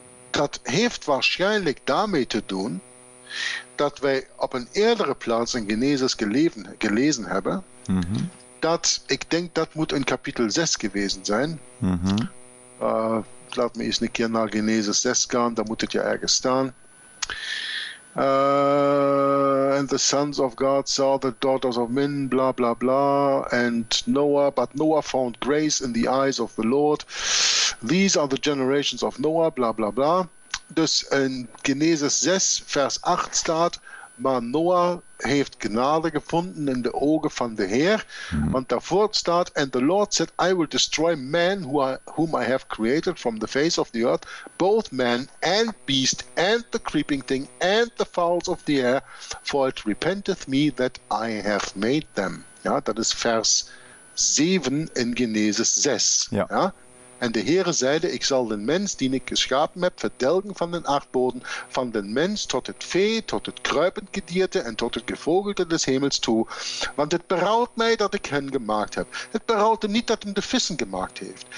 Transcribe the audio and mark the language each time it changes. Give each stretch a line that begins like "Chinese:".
Dutch: Dat heeft waarschijnlijk daarmee te doen dat wij op een eerdere plaats in Genesis gelezen hebben, dat, ik denk dat moet in kapitel 6 geweest zijn. Laat me eens een keer naar Genesis 6 gaan, daar moet het ja ergens staan.
English: And the sons of God saw the daughters of men, bla bla bla, and Noah, but Noah found grace in the eyes of the Lord. These are the generations of Noah, bla bla bla.
Dutch: Dus in Genesis 6, vers 8 staat, maar Noah heeft genade gevonden in de ogen van de Heer. Mm-hmm. Want daarvoor staat,
English: and the Lord said, I will destroy man whom I have created from the face of the earth, both man and beast and the creeping thing and the fowls of the air, for it repenteth me that I have made them.
Dutch: Ja, dat is vers 7 in Genesis 6. Ja. En de Heere zeide, ik zal den mens, die ik geschapen heb, verdelgen van den aardbodem, van den mens tot het vee, tot het kruipend gedierte en tot het gevogelte des hemels toe. Want het berouwt mij dat ik hen gemaakt heb. Het berouwt hem niet dat hem de vissen gemaakt heeft.